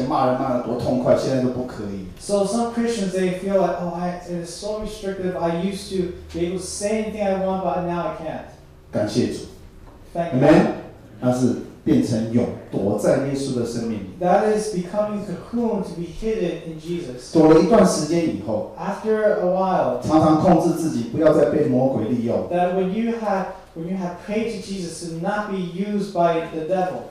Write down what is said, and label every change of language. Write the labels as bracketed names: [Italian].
[Chinese] 很多人刚信耶稣的时候会觉得不自由，哇，我以前骂人骂得多痛快，现在都不可以。 [English] So some Christians, they feel like, oh, it is so restrictive. I used to be able to say anything I want, but now I can't. [Chinese] 感谢主。 [English] Thank you. Amen. [Chinese] 但是 变成蛹，躲在耶稣的生命里。 [English] That is becoming cocoon to be hidden in Jesus. [Chinese] 躲了一段时间以后， [English] After a while, [Chinese] 常常控制自己，不要再被魔鬼利用。 [English] That when you have prayed to Jesus to not be used by the devil,